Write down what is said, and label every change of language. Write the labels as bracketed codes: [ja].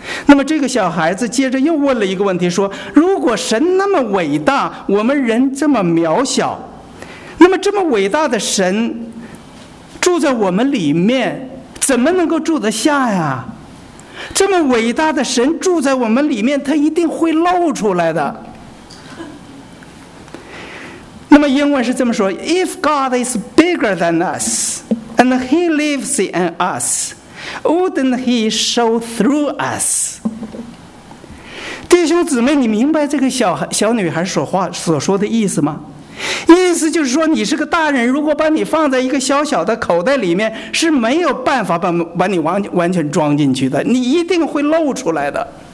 [zh] 那么这个小孩子接着又问了一个问题，说，如果神那么伟大，我们人这么渺小，那么这么伟大的神住在我们里面，怎么能够住得下呀？这么伟大的神住在我们里面，他一定会露出来的。那么英文是这么说， [en] If God is bigger than us and he lives in us, wouldn't he show through us? [zh] 弟兄姊妹，你明白这个 小女孩 所说的意思吗？意思就是说，你是个大人，如果把你放在一个小小的口袋里面，是没有办法把你完全装进去的，你一定会露出来的。